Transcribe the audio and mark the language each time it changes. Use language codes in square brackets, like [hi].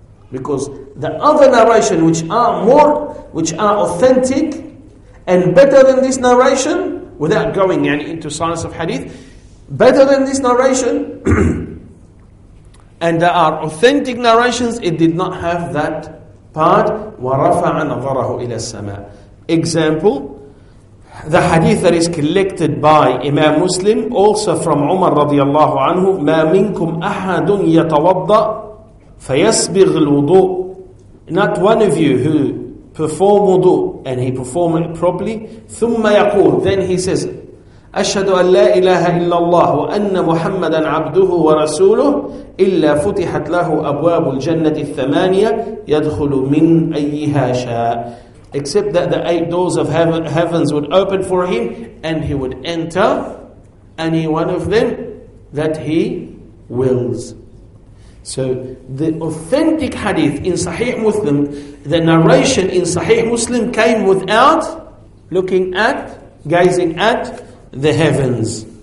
[en] Because the other narration which are authentic and better than this narration, without going into science of hadith, better than this narration, and there are authentic narrations, it did not have that part. [ar] وَرَفَعَ نَظَرَهُ إِلَى السَّمَاءِ. [en] Example, the hadith that is collected by Imam Muslim, also from Umar radiallahu anhu, [ar] مَا مِنْكُمْ أَحَدٌ يَتَوَضَّ فَيَسْبِغْ الْوُضُوء. [en] Not one of you who perform wudu and he perform it properly, [ar] ثُمَّ يَقُولُ, [en] then he says, [ar] أشهد أن لا إله إلا الله وأن محمدا عبده ورسوله إلا فتحت له أبواب الجنة الثمانية يدخل من أيها شاء. [en] Except that the eight doors of heavens would open for him and he would enter any one of them that he wills. So the authentic hadith in Sahih Muslim, the narration in Sahih Muslim came without looking at, gazing at the heavens.